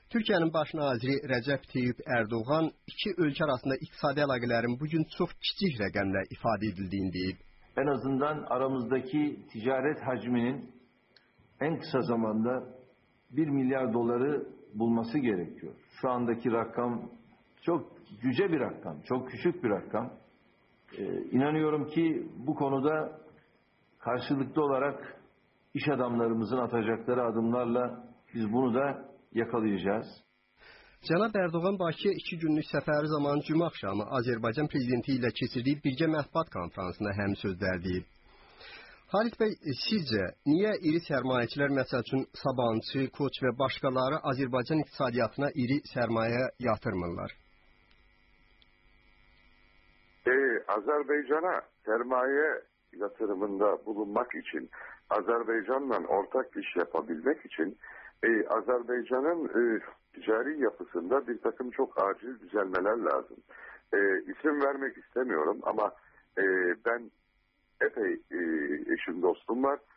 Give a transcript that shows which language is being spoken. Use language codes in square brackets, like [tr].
[az] Türkiyənin baş naziri Rəcəb Tayyip Erdoğan iki ölkə arasında iqtisadi əlaqələrin bugün çox kiçik rəqəmlə ifadə edildiyini deyib. [tr] Ən azından aramızdakı ticarət həcminin ən qısa zamanda 1 milyard dolları bulması gerekiyor. Şu andakı rəqəm çox cücə bir rəqəm, çox küçük bir rəqəm. İnanıyorum ki bu konuda qarşılıqlı olaraq İş adamlarımızın atacakları adımlarla biz bunu da yakalayacağız. [az] Cənab Erdoğan Bakıya 2 günlük səfəri zamanı cümə axşamı Azərbaycan prezidenti ilə keçirdiyi birgə mətbuat konfransında həm sözlər deyib. Halit bəy, sizcə niyə iri sərmayəçilər məsəl üçün Sabancı, Koç və başqaları Azərbaycan iqtisadiyyatına iri sərmayə yatırmırlar? [tr] Azerbaycan'a sermaye yatırımında bulunmak için, Azerbaycan'la ortak iş yapabilmek için Azerbaycan'ın ticari yapısında bir takım çok acil düzelmeler lazım. İsim vermek istemiyorum ama ben epey eşim dostum var.